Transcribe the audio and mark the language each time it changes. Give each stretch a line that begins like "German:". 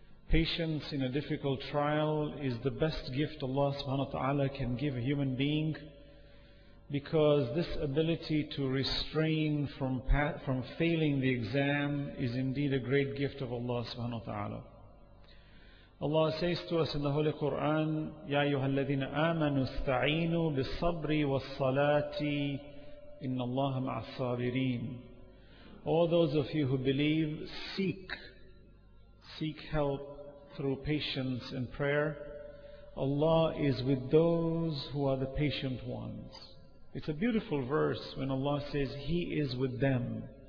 English: Patience in a difficult trial is the best gift Allah subhanahu wa ta'ala can give a human being, because this ability to restrain from failing the exam is indeed a great gift of Allah subhanahu wa ta'ala. Allah says to us in the Holy Quran,
Arabic: يَا أَيُّهَا الَّذِينَ آمَنُوا اسْتَعِينُوا بِالصَّبْرِ وَالصَّلَاةِ إِنَّ اللَّهَ مَعَ الصَّابِرِينَ.
English: All those of you who believe, seek help through patience and prayer. Allah is with those who are the patient ones. It's a beautiful verse when Allah says He is with them.